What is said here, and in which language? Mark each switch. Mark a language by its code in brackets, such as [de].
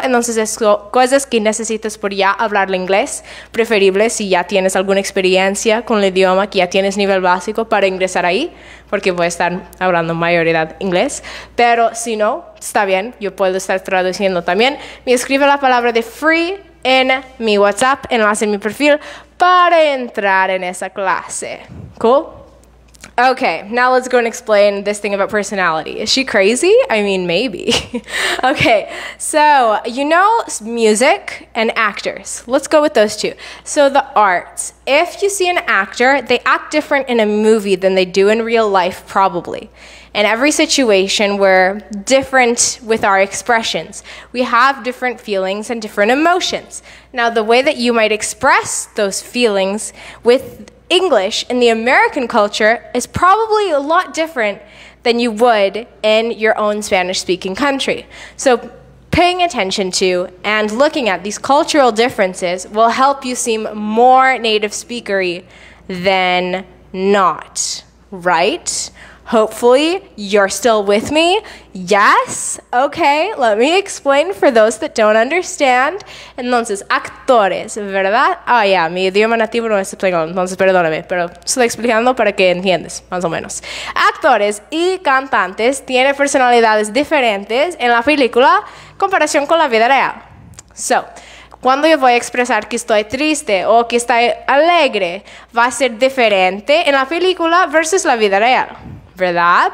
[es] Entonces, es cosas que necesitas por ya hablar inglés, preferible si ya tienes alguna experiencia con el idioma, que ya tienes nivel básico para ingresar ahí, porque voy a estar hablando mayoría inglés, pero si no, está bien, yo puedo estar traduciendo también. Me escribe la palabra de free en mi WhatsApp, enlace en mi perfil, para entrar en esa clase. [en] Cool? Okay, now let's go and explain this thing about personality. Is she crazy? I mean, maybe. Okay, so you know music and actors. Let's go with those two. So the arts. If you see an actor, they act different in a movie than they do in real life, probably. In every situation, we're different with our expressions. We have different feelings and different emotions. Now, the way that you might express those feelings with English in the American culture is probably a lot different than you would in your own Spanish-speaking country. So paying attention to and looking at these cultural differences will help you seem more native speakery than not, right? Hopefully you're still with me. Yes? Okay, let me explain for those that don't understand. [es] Entonces, actores, ¿verdad? Ah, yeah, mi idioma nativo no es español, entonces perdóname, pero estoy explicando para que entiendas, más o menos. Actores y cantantes tienen personalidades diferentes en la película en comparación con la vida real. So, cuando yo voy a expresar que estoy triste o que estoy alegre, va a ser diferente en la película versus la vida real. ¿Verdad?